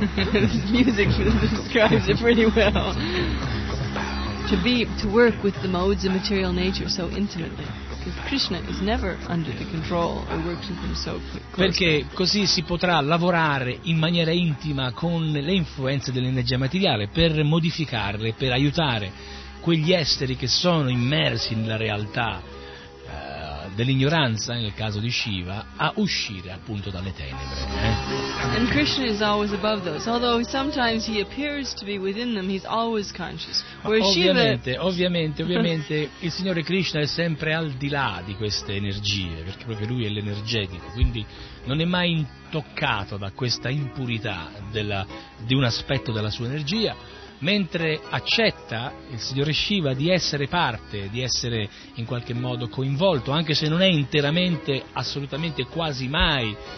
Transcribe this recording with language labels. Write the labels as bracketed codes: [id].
[en] This music describes it pretty well. To work with the modes of material nature so intimately, because Krishna is never under the control or works with them so quickly. [it] Perché così si potrà lavorare in maniera intima con le influenze dell'energia materiale per modificarle, per aiutare quegli esseri che sono immersi nella realtà dell'ignoranza, nel caso di Shiva, a uscire appunto dalle tenebre. [en] And Krishna is always above those, although sometimes he appears to be within them, he's always conscious. [it] Ovviamente, il Signore Krishna è sempre al di là di queste energie, perché proprio lui è l'energetico, quindi non è mai intoccato da questa impurità di un aspetto della sua energia. Mentre accetta il Signore Shiva di essere parte, di essere in qualche modo coinvolto, anche se non è interamente, assolutamente, quasi mai